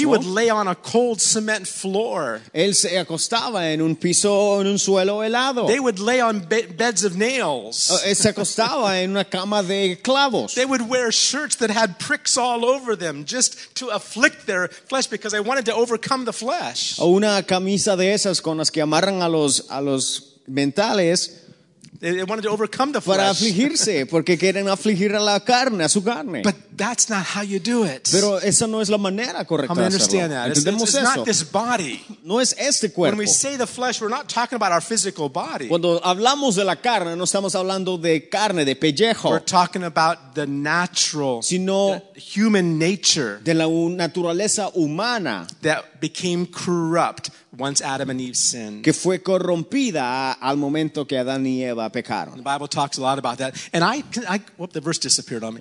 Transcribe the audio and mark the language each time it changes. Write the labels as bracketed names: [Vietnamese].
[English] he would lay on a cold cement floor. [Spanish] Él se acostaba en un piso, en un suelo helado. [English] They would lay on beds of nails. [Spanish] Se acostaba en una cama de clavos. [English] They would wear shirts that had pricks all over them just to afflict their flesh because they wanted to overcome the flesh. [Spanish] O una camisa de esas con las que amarran a los mentales. [English] They wanted to overcome the flesh. [Spanish] Para afligirse, porque quieren afligir a la carne, a su carne. [English] But that's not how you do it. [Spanish] Pero esa no es la manera correcta de hacerlo. [English] Understand that. [Spanish] Entendemos [English] it's not this body. [Spanish] No es este cuerpo. [English] When we say the flesh, we're not talking about our physical body. [Spanish] Cuando hablamos de la carne, no estamos hablando de carne, de pellejo. [English] We're talking about the natural, [Spanish] sino [English] the human nature. [Spanish] De la naturaleza humana. [English] That became corrupt. Once Adam and Eve sinned, [Spanish] que fue corrompida al momento que Adán y Eva pecaron. [English] The Bible talks a lot about that, and the verse disappeared on me.